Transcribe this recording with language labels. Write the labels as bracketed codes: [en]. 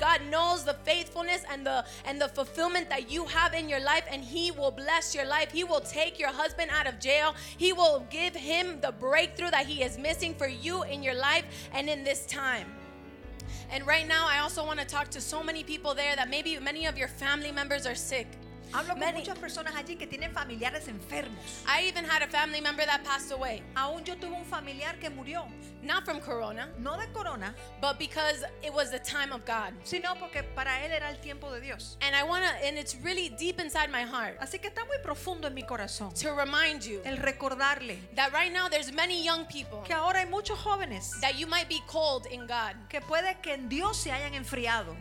[en] God knows the faithfulness and the fulfillment that you have in your life, and he will bless your life. He will take your husband out of jail. He will give him the breakthrough that he is missing for you in your life and in this time. And right now, I also want to talk to so many people there that maybe many of your family members are sick. [es] Hablo con muchas personas allí que tienen familiares enfermos. [en] I even had a family member that passed away. [es] Aún yo tuve un familiar que murió. [en] Not from corona. [es] No de corona. [en] But because it was the time of God. [es] Sino porque para él era el tiempo de Dios. [en] And it's really deep inside my heart. [es] Así que está muy profundo en mi corazón. [en] To remind you. [es] El recordarle. [en] That right now there's many young people. [es] Que ahora hay muchos jóvenes. [en] That you might be cold in God. [es] Que puede que en Dios se hayan enfriado.